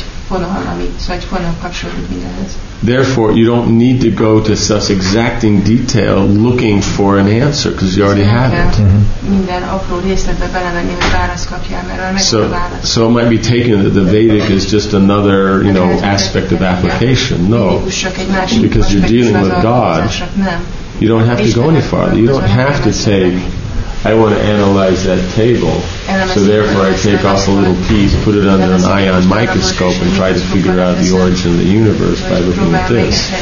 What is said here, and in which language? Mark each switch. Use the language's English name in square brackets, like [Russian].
[Hungarian] fonal, ami, szóval egy fonal kapcsolódik mindenhez. [English] Therefore, you don't need to go to such exacting detail looking for an answer because you already have it. [Hungarian] Minden apró részletbe belemenni, hogy választ kapjál, mert megvan a válasz. [English] So it might be taken that the Vedic is just another, you know, aspect of application. No, because you're dealing with God. You don't have to go any farther. You don't have to take, I want to analyze that table, so therefore I take off a little piece, put it under an ion microscope, and try to figure out the origin of the universe by looking at this.